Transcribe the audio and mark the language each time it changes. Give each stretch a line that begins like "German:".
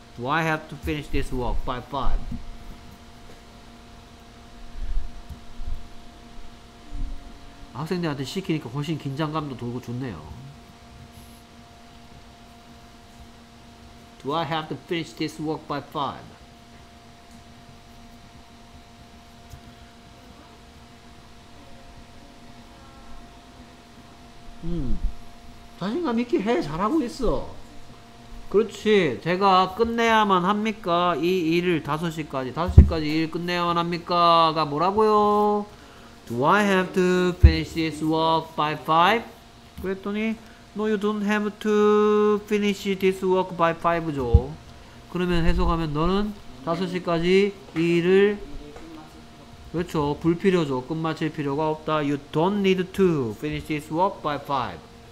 English: Do I have to finish this work by 5?
Korean: 학생들한테 시키니까 훨씬 긴장감도 돌고 좋네요.
English: Do I have to finish this work by 5?
Korean: 자신감 있게 해. 잘하고 있어. 그렇지. 제가 끝내야만 합니까? 이 일을 5시까지. 5시까지 일 끝내야만 합니까? 가 뭐라고요?
English: Do I have to finish this work by 5?
Korean: 그랬더니
English: No, you don't have to finish this work by 5죠.
Korean: 그러면 해석하면 너는 5시까지 이 일을 그렇죠. 불필요죠. 끝마칠 필요가 없다.
English: You don't need to finish this work by 5.